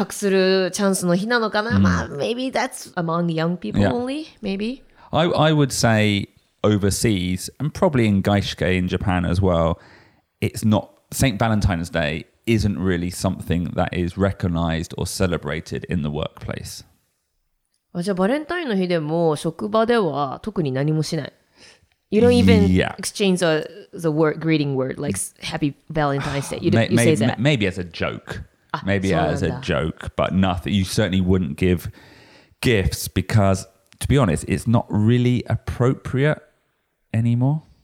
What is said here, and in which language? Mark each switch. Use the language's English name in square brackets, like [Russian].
[Japanese] ギリチョコレートだの、まあ本命の人にも、まあ告白するチャンスの日なのかな? [English] Mm. Maybe that's among young people yeah. only, maybe. I would say overseas, and probably in Gaishke in Japan as well, it's not, St. Valentine's Day isn't really something that is recognized or celebrated in the workplace. [Japanese] じゃあバレンタインの日でも職場では特に何もしない? [English] You don't even yeah. exchange the word greeting word like happy Valentine's Day. Maybe as a joke. Maybe as a joke, but nothing. You certainly wouldn't give gifts because, to be honest, it's not really appropriate anymore.